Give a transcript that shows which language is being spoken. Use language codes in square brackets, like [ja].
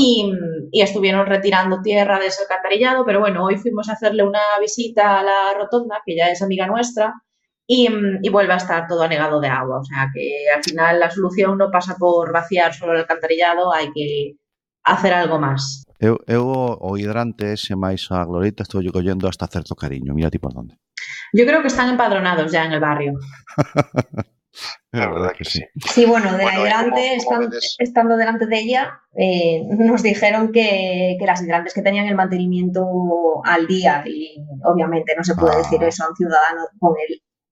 [es] Y estuvieron retirando tierra de ese alcantarillado, pero bueno, hoy fuimos a hacerle una visita a la rotonda, que ya es amiga nuestra, y vuelve a estar todo anegado de agua. O sea, que al final la solución no pasa por vaciar solo el alcantarillado, hay que hacer algo más. [gl] Eu o hidrante ese máis a Glorieta estou collendo hasta certo cariño. [es] Mira ti por donde. Yo creo que están empadronados ya en el barrio. [gl] É verdad que sí. [es] Sí, bueno, de hidrante, estando delante de ella, nos dijeron que las hidrantes que tenían el mantenimiento al día, y obviamente no se puede decir eso a un ciudadano con el...